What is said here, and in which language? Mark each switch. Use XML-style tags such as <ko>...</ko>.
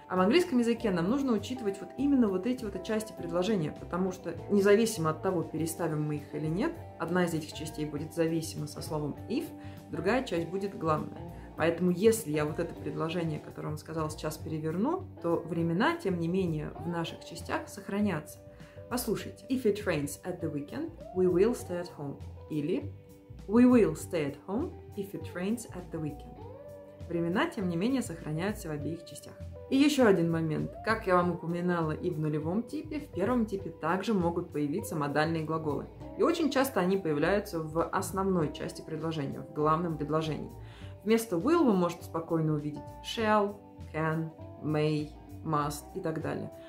<ru>А в английском языке нам нужно учитывать вот именно вот эти вот части предложения, потому что независимо от того, переставим мы их или нет, одна из этих частей будет зависима со словом if, другая часть будет главная. Поэтому если я вот это предложение, которое вам сказала, сейчас переверну, то времена, тем не менее, в наших частях сохранятся. Послушайте.</ru> <en>If it rains at the weekend, we will stay at home. Или we will stay at home if it rains at the weekend.</en> <ru>времена, тем не менее, сохраняются в обеих частях. И еще один момент. Как я вам упоминала и в нулевом типе, в первом типе также могут появиться модальные глаголы. И очень часто они появляются в основной части предложения, в главном предложении. Вместо will вы можете спокойно увидеть shall, can, may, must и так далее.</ru>